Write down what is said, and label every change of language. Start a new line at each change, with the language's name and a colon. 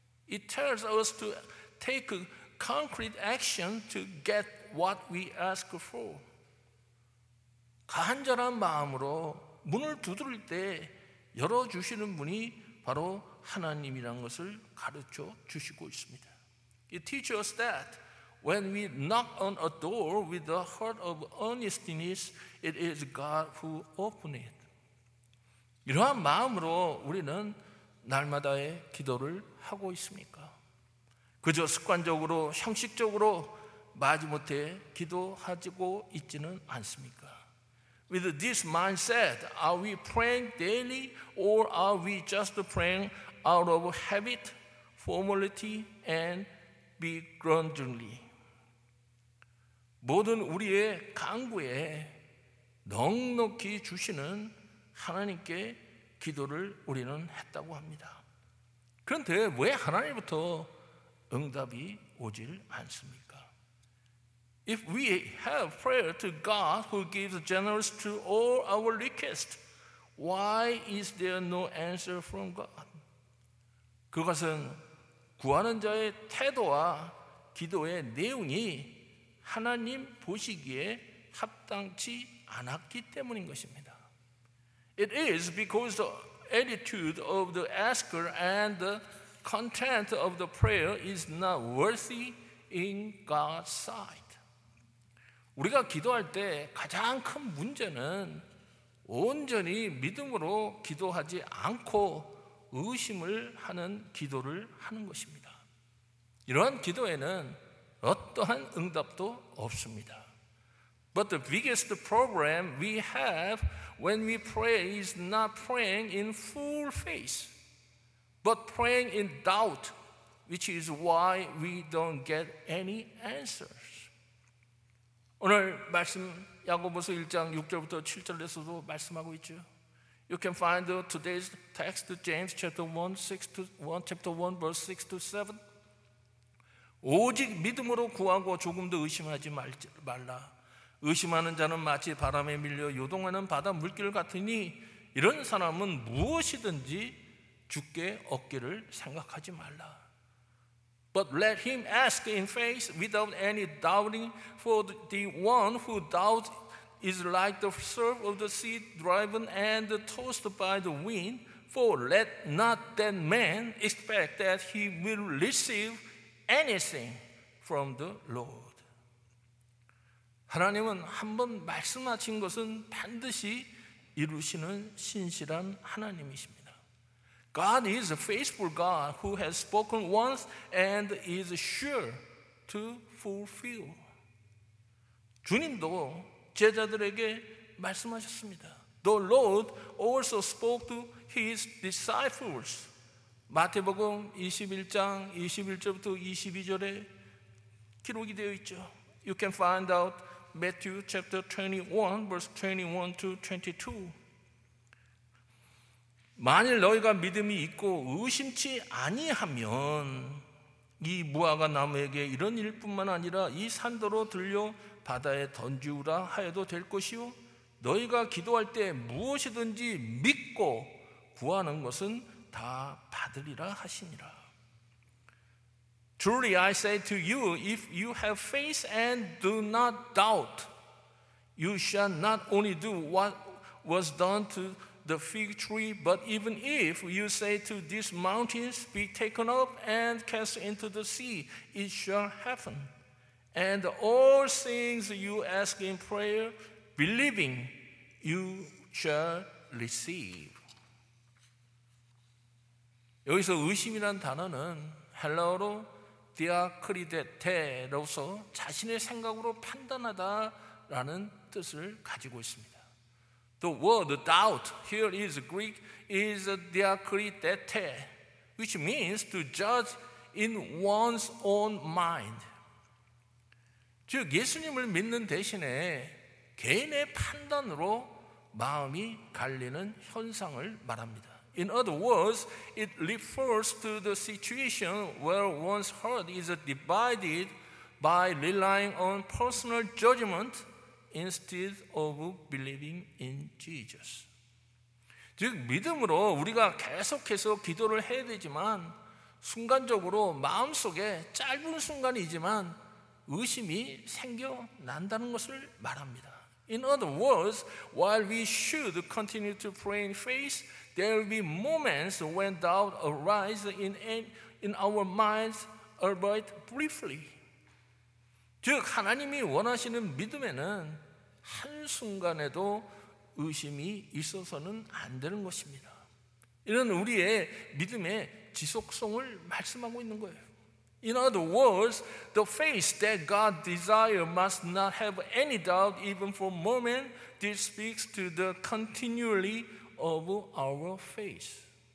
English: It tells us to take concrete action to get what we ask for.
Korean: 간절한 마음으로 문을 두드릴 때 열어주시는 분이 바로 하나님이라는 것을 가르쳐 주시고 있습니다.
English: It teaches us that when we knock on a door with a heart of earnestness, it is God who opens it.
Korean: 이러한 마음으로 우리는 날마다의 기도를 하고 있습니까? 그저 습관적으로 형식적으로 마지못해 기도하고 있지는 않습니까?
English: With this mindset, are we praying daily or are we just praying out of habit, formality, and begrudgingly?
Korean: 모든 우리의 간구에 넉넉히 주시는 하나님께 기도를 우리는 했다고 합니다. 그런데 왜 하나님부터 응답이 오질 않습니까?
English: If we have prayer to God who gives generous to all our requests, why is there no answer from God?
Korean: 그것은 구하는 자의 태도와 기도의 내용이 하나님 보시기에 합당치 않았기 때문인 것입니다.
English: It is because the attitude of the asker and the content of the prayer is not worthy in God's sight.
Korean: 우리가 기도할 때 가장 큰 문제는 온전히 믿음으로 기도하지 않고 의심을 하는 기도를 하는 것입니다. 이러한 기도에는 어떠한 응답도 없습니다.
English: But the biggest problem we have when we pray is not praying in full faith, but praying in doubt, which is why we don't get any answers.
Korean: 오늘 말씀 야고보서 1장 6절부터 7절에서도 말씀하고 있죠.
English: You can find today's text, James chapter 1, 6 to 1, chapter 1, verse 6 to 7.
Korean: 오직 믿음으로 구하고 조금도 의심하지 말라. 의심하는 자는 마치 바람에 밀려 요동하는 바다 물결 같으니 이런 사람은 무엇이든지 주께 얻기를 생각하지 말라.
English: But let him ask in faith without any doubting, for the one who doubts is like the surf of the sea driven and tossed by the wind. For let not that man expect that he will receive anything from the Lord.
Korean: 하나님은 한번 말씀하신 것은 반드시 이루시는 신실한 하나님이십니다.
English: God is a faithful God who has spoken once and is sure to fulfill.
Korean: 주님도 제자들에게 말씀하셨습니다.
English: The Lord also spoke to his disciples.
Korean: 마태복음 21장 21절부터 22절에 기록이 되어 있죠.
English: You can find out Matthew chapter 21 verse 21 to 22.
Korean: 만일 너희가 믿음이 있고 의심치 아니하면 이 무화과 나무에게 이런 일뿐만 아니라 이 산더러 들려 바다에 던지우라 하여도 될 것이요. 너희가 기도할 때 무엇이든지 믿고 구하는 것은 다 받으리라 하시니라.
English: Truly I say to you, if you have faith and do not doubt, you shall not only do what was done to the fig tree, but even if you say to these mountains, be taken up and cast into the sea, it shall happen. And all things you ask in prayer, believing, you shall receive.
Korean: 여기서 의심이란 단어는 헬라어로 디아크리데테로서 자신의 생각으로 판단하다라는 뜻을 가지고 있습니다.
English: The word doubt here is Greek is diakritete, which means to judge in one's own mind.
Korean: 즉 예수님을 믿는 대신에 개인의 판단으로 마음이 갈리는 현상을 말합니다.
English: In other words, it refers to the situation where one's heart is divided by relying on personal judgment instead of believing in Jesus.
Korean: 즉 믿음으로 우리가 계속해서 기도를 해야 되지만 순간적으로 마음속에 짧은 순간이지만 의심이 생겨난다는 것을 말합니다.
English: In other words, while we should continue to pray in faith, there will be moments when doubt arises in our minds, albeit briefly.
Korean: 즉, 하나님이 원하시는 믿음에는 한순간에도 의심이 있어서는 안 되는 것입니다. 이는 우리의 믿음의 지속성을 말씀하고 있는 거예요.
English: In other words, the faith that God desires must not have any doubt even for a moment. This speaks to the continuity of our faith.